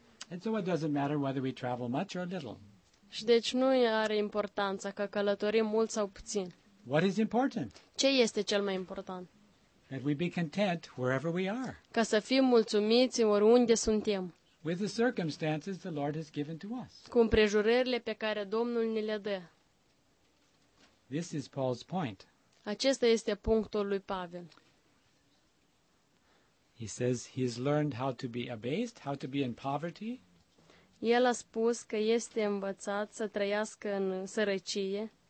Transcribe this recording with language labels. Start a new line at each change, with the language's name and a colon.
English: And so it doesn't matter whether we travel much or little.
Romanian: Și deci nu are importanța că călătorim mult sau puțin.
English: What is important?
Romanian: Ce este cel mai important?
English: That we be content wherever we are.
Romanian: Ca să fim mulțumiți oriunde suntem.
English: With the circumstances the Lord has given to us.
Romanian: Cu împrejurările pe care Domnul ni le dă.
English: This is Paul's point.
Romanian: Acesta este punctul lui Pavel.
English: He says he's learned how to be abased, how to be in poverty.
Romanian: El a spus că este învățat să trăiască în sărăcie.